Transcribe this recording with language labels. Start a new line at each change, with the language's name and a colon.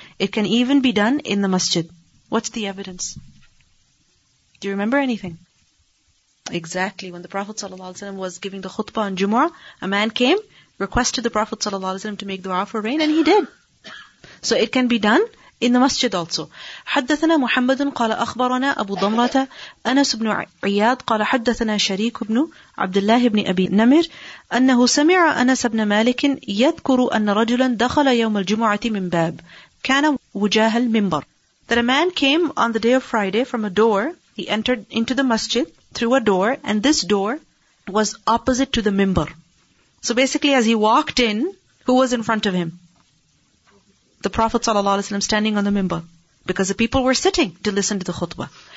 English: It can even be done in the masjid. What's the evidence? Do you remember anything? Exactly. When the Prophet ﷺ was giving the khutbah on Jumu'ah, a man came, requested the Prophet ﷺ to make dua for rain, and he did. So it can be done in the masjid also.
Arabic: حدثنا محمد قال أخبرنا أبو ضمرة أنس بن عياد قال حدثنا شريك بن عبد الله بن أبي نمر أنه سمع أنس بن مالك يذكر أن رجلا دخل يوم الجمعة من باب كان وجاه المنبر.
English: That a man came on the day of Friday from a door. He entered into the masjid through a door, and this door was opposite to the minbar. So basically, as he walked in, who was in front of him? The Prophet sallallahu alaihi wasallam standing on the minbar, because the people were sitting to listen to the khutbah.